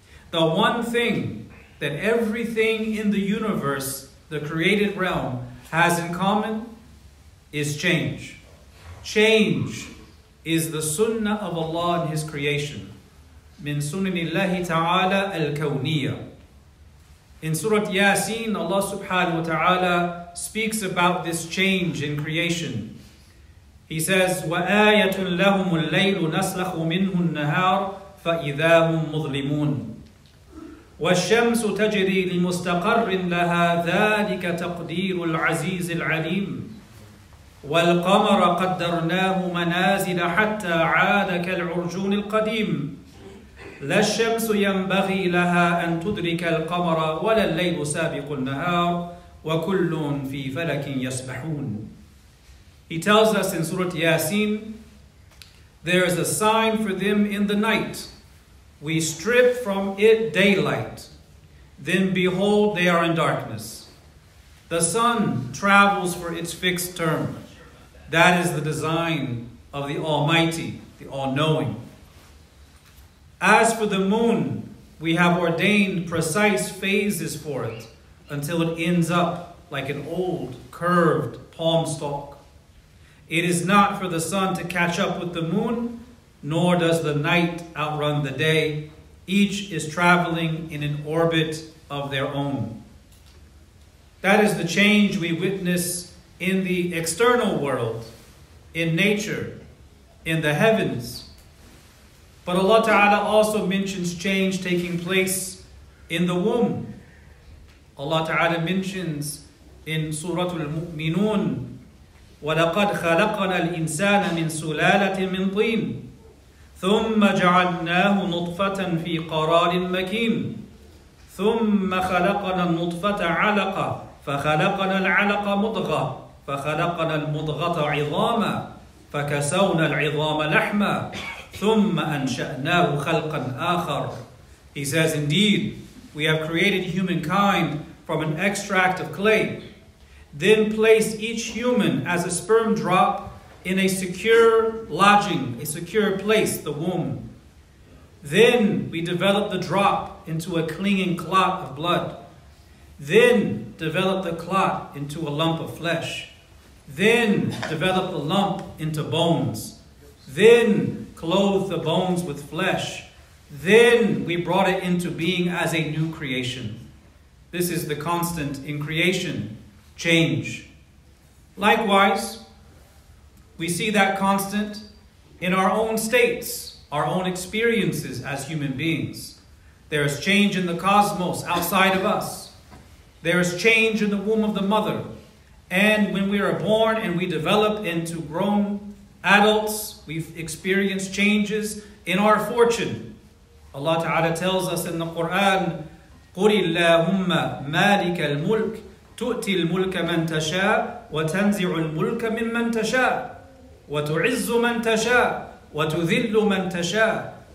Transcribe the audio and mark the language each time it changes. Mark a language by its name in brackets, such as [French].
[English] The one thing that everything in the universe, the created realm, has in common is change. Change is the sunnah of Allah and His creation. [Arabic] Min sunanillahi ta'ala al-kawniyah. [English] In Surah Yasin, Allah subhanahu wa ta'ala speaks about this change in creation. He says, [Arabic] وَآيَةٌ لَهُمُ اللَّيْلُ نَسْلَخُ مِنْهُ النَّهَارُ فَإِذَا هُمْ مُظْلِمُونَ وَالشَّمْسُ تَجْرِي لِمُسْتَقَرٍ لَهَا ذَلِكَ تَقْدِيرُ الْعَزِيزِ الْعَلِيمِ وَالْقَمَرَ قَدَّرْنَاهُ مَنَازِلَ حَتَّى عَادَ كَالْعُرْجُونِ الْقَدِيمِ لا الشمس ينبغي لها أن تدرك القمر ولا الليل سابق النهار وكل في فلك يسبحون. [English] He tells us in Surah Yasin, there is a sign for them in the night. We strip from it daylight. Then behold, they are in darkness. The sun travels for its fixed term. That is the design of the Almighty, the All-Knowing. As for the moon, we have ordained precise phases for it until it ends up like an old, curved palm stalk. It is not for the sun to catch up with the moon, nor does the night outrun the day. Each is traveling in an orbit of their own. That is the change we witness in the external world, in nature, in the heavens. But Allah Ta'ala also mentions change taking place in the womb. Allah Ta'ala mentions in Surah Al-Mu'minun, [Arabic] وَلَقَدْ خَلَقَنَا الْإِنسَانَ مِنْ سُلَالَةٍ مِنْ طِينٍ ثُمَّ جَعَلْنَاهُ نُطْفَةً فِي قَرَارٍ مَكِينٍ ثُمَّ خَلَقَنَا النُّطْفَةَ عَلَقَةً فَخَلَقَنَا الْعَلَقَةَ مُضْغَةً فَخَلَقَنَا الْمُضْغَةَ عِظَامًا فَكَسَوْنَا الْعِظَامَ لَحْمًا ثُمَّ أَنْشَأْنَاهُ خَلْقًا آخَرَ. [English] He says, indeed, we have created humankind from an extract of clay, then place each human as a sperm drop in a secure lodging, a secure place, the womb. Then we develop the drop into a clinging clot of blood. Then develop the clot into a lump of flesh. Then develop the lump into bones. Then clothe the bones with flesh. Then we brought it into being as a new creation. This is the constant in creation, change. Likewise, we see that constant in our own states, our own experiences as human beings. There is change in the cosmos outside of us. There is change in the womb of the mother. And when we are born and we develop into grown adults, we've experienced changes in our fortune. Allah Ta'ala tells us in the Quran, [Arabic] قُلِ اللَّهُمَّ مَالِكَ الْمُلْكِ تُؤْتِي الْمُلْكَ مَنْ تَشَاءُ وَتَنْزِعُ الْمُلْكَ مِمَّنْ تَشَاءُ وَتُعِزُّ مَنْ تَشَاءُ وَتُذِلُّ مَنْ تَشَاءُ.